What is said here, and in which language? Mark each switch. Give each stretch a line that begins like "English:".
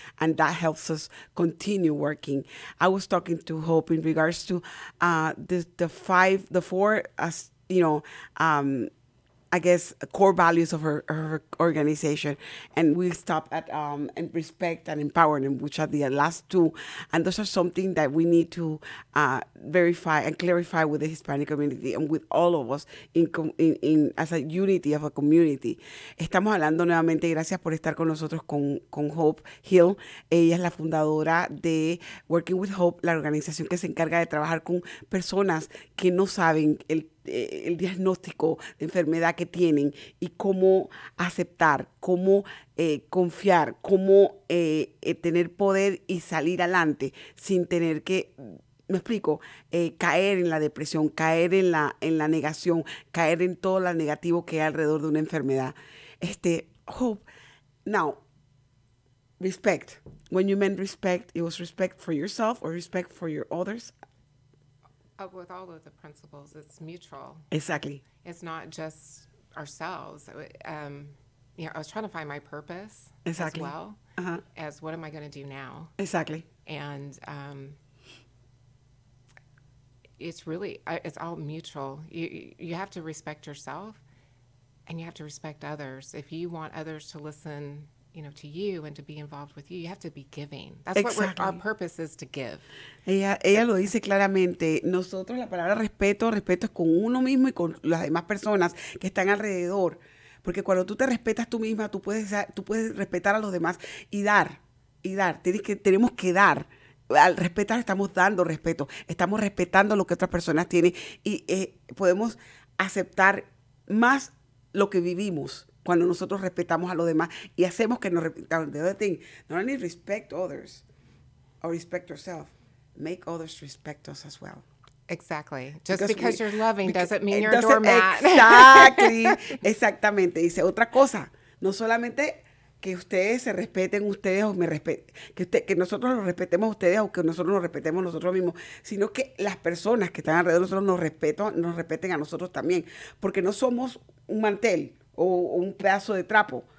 English: And that helps us continue working. I was talking to Hope in regards to core values of her organization. And we stop at and respect and empowerment, which are the last two. And those are something that we need to verify and clarify with the Hispanic community and with all of us in as a unity of a community.
Spanish: Estamos hablando nuevamente. Gracias por estar con nosotros con Hope Hill. Ella es la fundadora de Working with Hope, la organización que se encarga de trabajar con personas que no saben el diagnóstico de enfermedad que tienen y cómo aceptar, cómo confiar, cómo tener poder y salir adelante sin tener que, me explico, caer en la depresión, caer en la negación, caer en todo lo negativo que hay alrededor de una enfermedad.
English: Hope, now, respect. When you meant respect, it was respect for yourself or respect for your others? With all of the principles, it's mutual. Exactly. It's not just ourselves. You know, I was trying to find my purpose exactly. as well uh-huh. as what am I going to do now? Exactly. And it's really, it's all mutual. You have to respect yourself and you have to respect others. If you want others to listen, you know, to you and to be involved with you, you have to be giving. That's exactly. what our purpose is to give.
Spanish: Ella lo dice claramente. Nosotros, la palabra respeto es con uno mismo y con las demás personas que están alrededor. Porque cuando tú te respetas tú misma, tú puedes respetar a los demás y dar. Tenemos que dar. Al respetar estamos dando respeto. Estamos respetando lo que otras personas tienen y podemos aceptar más lo que vivimos cuando nosotros respetamos a los demás y hacemos que nos respetan.
English: The other thing, not only respect others or respect yourself, make others respect us as well. Exactly. Just because you're loving doesn't mean you're a doormat. Exactly.
Spanish: Exactamente. Dice otra cosa. No solamente que ustedes se respeten ustedes o me respeten, que nosotros nos respetemos ustedes o que nosotros nos respetemos nosotros mismos, sino que las personas que están alrededor de nosotros nos respeten a nosotros también. Porque no somos un mantel o un pedazo de trapo.